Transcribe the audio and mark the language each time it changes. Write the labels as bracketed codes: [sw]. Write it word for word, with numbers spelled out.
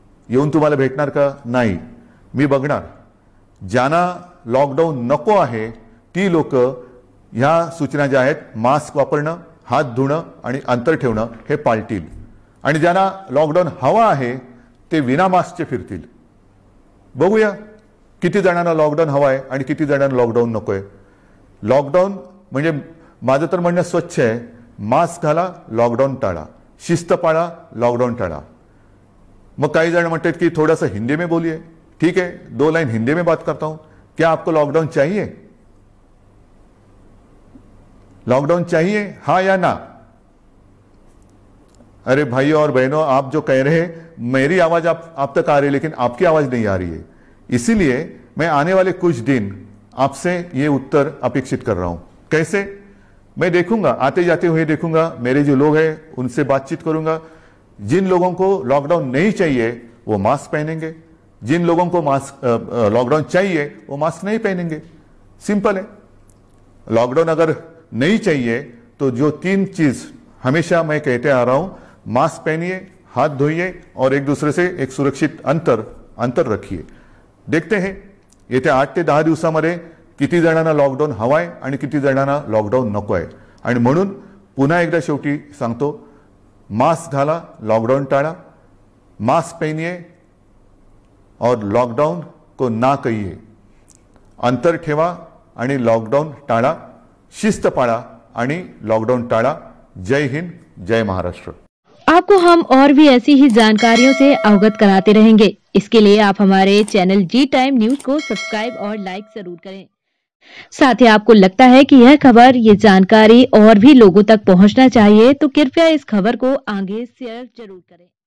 [mr] येऊन तुम्हाला भेटणार का? नाही, मी बघणार. ज्यांना लॉकडाऊन नको आहे ती लोक ह्या सूचना ज्या आहेत मास्क वापरणं, हात धुणं आणि अंतर ठेवणं हे पाळतील आणि ज्यांना लॉकडाऊन हवा आहे ते विना मास्कचे फिरतील. बघूया किती जणांना लॉकडाऊन हवा आहे आणि किती जणांना लॉकडाऊन नको आहे. लॉकडाऊन म्हणजे माझं तर म्हणणं स्वच्छ आहे, मास्क घाला, लॉकडाऊन टाळा, शिस्त पाळा, लॉकडाऊन टाळा. मग काही जण म्हणतात की [hi] थोडा सा हिंदी में बोलिए, ठीक है दो लाइन हिंदी में बात करता हूं, क्या आपको लॉकडाउन चाहिए? लॉकडाउन चाहिए हाँ या ना? अरे भाइयों और बहनों, आप जो कह रहे हैं मेरी आवाज आप, आप तक आ रही है लेकिन आपकी आवाज नहीं आ रही है. इसीलिए मैं आने वाले कुछ दिन आपसे ये उत्तर अपेक्षित कर रहा हूं. कैसे? मैं देखूंगा, आते जाते हुए देखूंगा, मेरे जो लोग हैं उनसे बातचीत करूंगा. जिन लोगों को लॉकडाउन नहीं चाहिए वो मास्क पहनेंगे, जिन लोगों को मास्क लॉकडाउन चाहिए वो मास्क नहीं पहनेंगे. सिंपल है. लॉकडाउन अगर नहीं चाहिए तो जो तीन चीज हमेशा मैं कहते आ रहा हूं, मास्क पहनिए, हाथ धोइए और एक दूसरे से एक सुरक्षित अंतर अंतर रखिए. देखते हैं [mr] येत्या आठ ते दहा दिवसामध्ये किती जणांना लॉकडाऊन हवाय आणि किती जणांना लॉकडाऊन नको आहे. आणि म्हणून पुन्हा एकदा शेवटी सांगतो, मास्क घाला, लॉकडाऊन टाळा, [hi] मास्क पहनिए और लॉकडाउन को ना कहिए, [mr] अंतर ठेवा आणि लॉकडाऊन टाळा, शिस्त पाळा आणि लॉकडाऊन टाळा. जय हिंद, जय महाराष्ट्र. [hi] आपको हम और भी ऐसी ही जानकारियों से अवगत कराते रहेंगे. इसके लिए आप हमारे चैनल जी टाइम न्यूज को सब्सक्राइब और लाइक जरूर करें. साथ ही आपको लगता है कि यह खबर, ये जानकारी और भी लोगों तक पहुंचना चाहिए तो कृपया इस खबर को आगे शेयर जरूर करें.